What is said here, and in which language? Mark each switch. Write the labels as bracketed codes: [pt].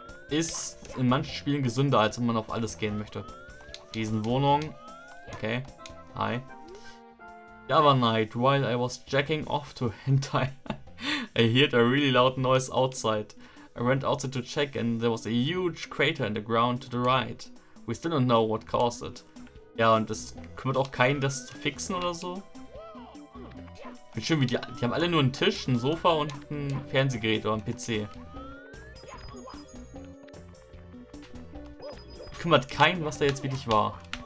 [de] Ist in manchen Spielen gesünder, als wenn man auf alles gehen möchte. Riesenwohnung. Okay. Hi. [en] The other night, while I was jacking off to hentai, I heard a really loud noise outside. I went outside to check and there was a huge crater in the ground to the right. We still don't know what caused it. [de] Ja, und das kümmert auch keinen, das zu fixen oder so. Wie schön, wie die haben alle nur einen Tisch, ein Sofa und ein Fernsehgerät oder ein PC. Kümmert keinen, was da jetzt wirklich war.